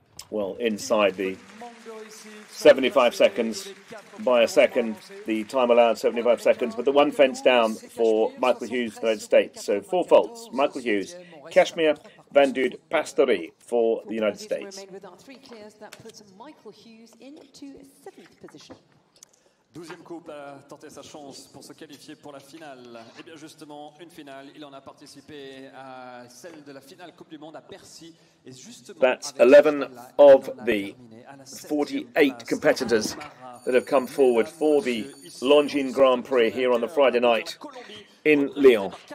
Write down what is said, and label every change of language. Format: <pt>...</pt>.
<en>Well, inside the 75 seconds by a second, the time allowed 75 seconds, but the one fence down for Michael Hughes, the United States. So four faults, Michael Hughes, Cashmere Van Dord Pastory for the United States. With our three clears, that puts Michael Hughes into seventh position.</en> <fr>Douzième coupe a tenté sa chance pour se qualifier pour la finale. Et bien justement, une finale, il en a participé à celle de la finale Coupe du Monde à Percy. Et justement,</fr> <en>that's 11 of the 48 competitors that have come forward for the Longines Grand Prix here on the Friday night in Lyon.</en>